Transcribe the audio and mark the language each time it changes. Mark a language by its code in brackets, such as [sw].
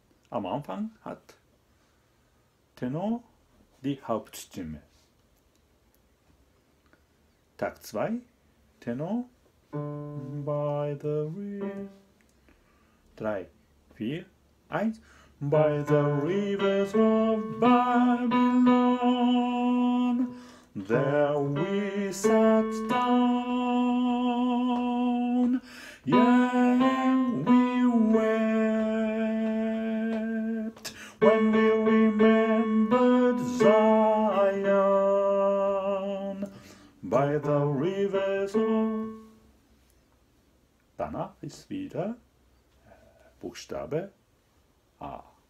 [de] Am Anfang hat Tenor die Hauptstimme. Takt 2, Tenor, By the Rivers. [en] 3, 4, 1, By the Rivers of Babylon, there we sat down, yeah, we wept when we remembered Zion, by the rivers of. [de] Danach ist wieder Buchstabe A.